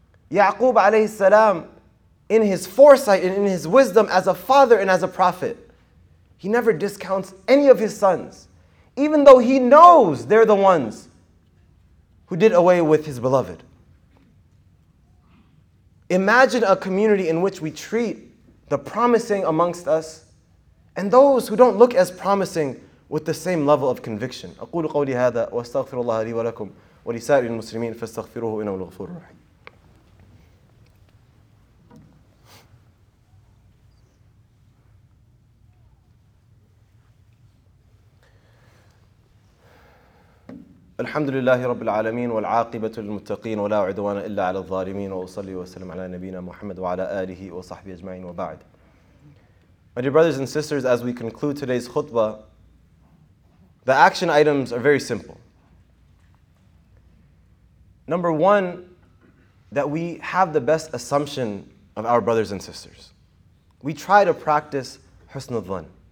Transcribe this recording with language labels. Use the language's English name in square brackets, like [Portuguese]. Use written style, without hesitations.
[English] Ya'qub alayhi salam, in his foresight and in his wisdom as a father and as a prophet, he never discounts any of his sons, even though he knows they're the ones who did away with his beloved. Imagine a community in which we treat the promising amongst us and those who don't look as promising with the same level of conviction. [Arabic] أقول قولي هذا واستغفر الله لي ولكم ولسائر المسلمين فاستغفروه إنه الغفور الرحيم. الحمد لله رب العالمين والعاقبة للمتقين ولا عدوان إلا على الظالمين وأصلي وسلم على نبينا محمد وعلى آله وصحبه أجمعين وبعد. [English] My dear brothers and sisters, as we conclude today's khutbah, the action items are very simple. Number one, that we have the best assumption of our brothers and sisters. We try to practice husn al-dhan.